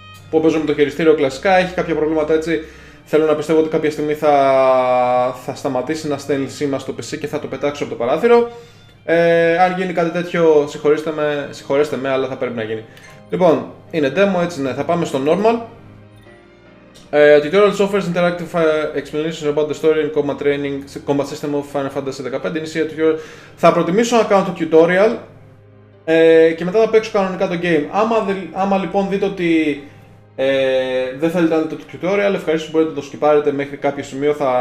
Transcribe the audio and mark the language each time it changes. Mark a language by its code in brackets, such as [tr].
[el] Που παίζω με το χειριστήριο κλασικά, έχει κάποια προβλήματα έτσι. Θέλω να πιστεύω ότι κάποια στιγμή θα σταματήσει να στέλνει σήμα στο PC και θα το πετάξω από το παράθυρο. Αν γίνει κάτι τέτοιο, συγχωρέστε με, αλλά θα πρέπει να γίνει. Λοιπόν, είναι demo, έτσι ναι, θα πάμε στο normal. [en] Tutorials offers interactive explanations about the story and combat training, combat system of Final Fantasy 15. Initial tutorial. [el] Θα προτιμήσω να κάνω το tutorial και μετά θα παίξω κανονικά το game. Άμα λοιπόν δείτε ότι δεν θέλετε να δείτε το tutorial, ευχαρίστω μπορείτε να το σκιπάρετε μέχρι κάποιο σημείο.